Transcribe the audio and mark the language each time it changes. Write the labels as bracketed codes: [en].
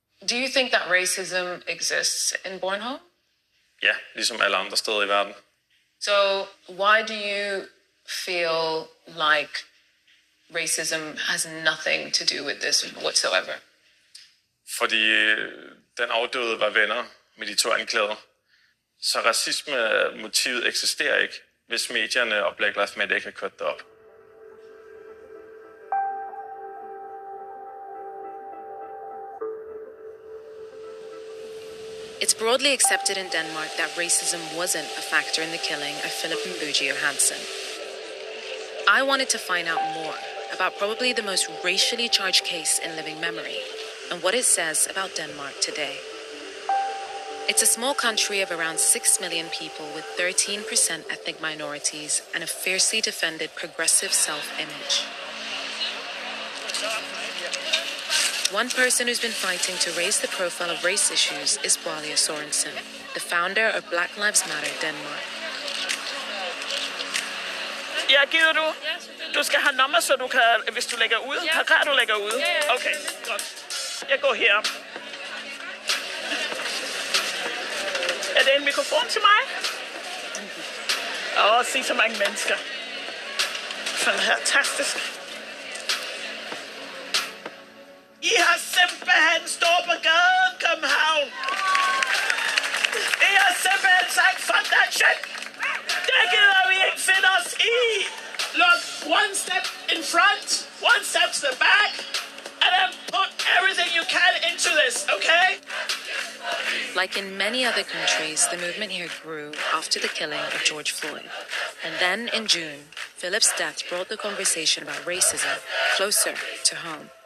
[en] Do you think that racism exists in Bornholm? [da] Ja, ligesom alle andre steder i verden. [en] So why do you feel like racism has nothing to do with this whatsoever? [da] Fordi den afdøde var venner med de to anklæder. Så racisme-motivet eksisterer ikke, hvis medierne og Black Lives Matter ikke har kørt det op. [en] It's broadly accepted in Denmark that racism wasn't a factor in the killing of Philip Mbuji Johansson. I wanted to find out more about probably the most racially charged case in living memory and what it says about Denmark today. It's a small country of around 6 million people with 13% ethnic minorities and a fiercely defended progressive self-image. One person who's been fighting to raise the profile of race issues is Walia Sorensen, the founder of Black Lives Matter Denmark. [da] Ja, gider du? Du skal have nummer, så du kan, hvis du lægger ud. Ja. Kan du lægge ud? Okay, godt. Jeg går her. Er det en mikrofon til mig? Åh, se så mange mennesker. Fantastisk. I har simpelthen stået på gaden, København. I har simpelthen sagt, [en] fuck that shit. [da] Det gider vi ikke finde os i. [en] Look, one step in front, one step to the back, and then put everything you can into this, okay? Like in many other countries, the movement here grew after the killing of George Floyd. And then in June, Philip's death brought the conversation about racism closer to home.